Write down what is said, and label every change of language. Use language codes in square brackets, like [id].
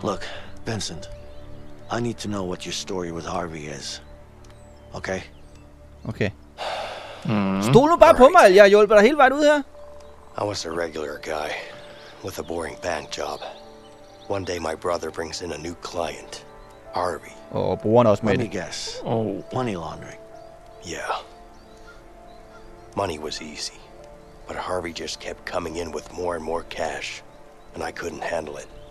[en] Look, Vincent, I need to know what your story with Harvey is. Okay? Okay. [da] Stol nu bare på mig, jeg hjælper dig hele vejen ud her. [en] I was a regular guy with a boring bank job. One day my brother brings in a new client, Harvey. [da] Oh, brugeren også med. [en] Let me guess. Oh. Money laundering. Yeah. Money was easy. But Harvey just kept coming in with more and more cash, and I couldn't handle it.